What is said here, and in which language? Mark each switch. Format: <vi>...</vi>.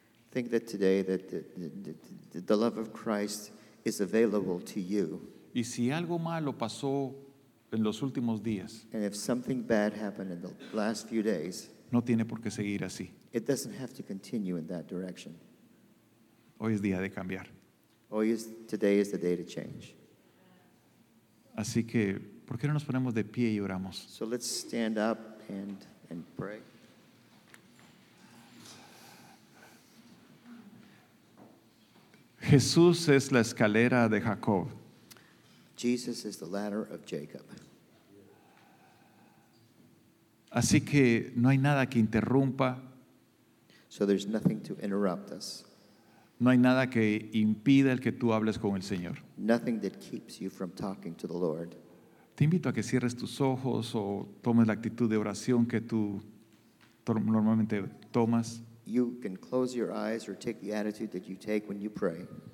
<en>Think that today that the love of Christ is available to you.</en> <es>Y si algo malo pasó en los últimos días,</es> <en>and if something bad happened in the last few days,</en> <es>no tiene por qué seguir así.</es> <en>It doesn't have to continue in that direction.</en> <es>Hoy es día de cambiar.</es> <en>Today is the day to change.</en> <es>Así que, ¿por qué no nos ponemos de pie y oramos?</es> <en>So let's stand up and pray.</en> <es>Jesús es la escalera de Jacob.</es> <en>Jesus is the ladder of Jacob.</en> <es>Así que no hay nada que interrumpa.</es> <en>So there's nothing to interrupt us.</en> <es>No hay nada que impida el que tú hables con el Señor.</es> <en>Nothing that keeps you from talking to the Lord.</en> <es>Te invito a que cierres tus ojos o tomes la actitud de oración que tú normalmente tomas.</es> <en>You can close your eyes or take the attitude that you take when you pray.</en>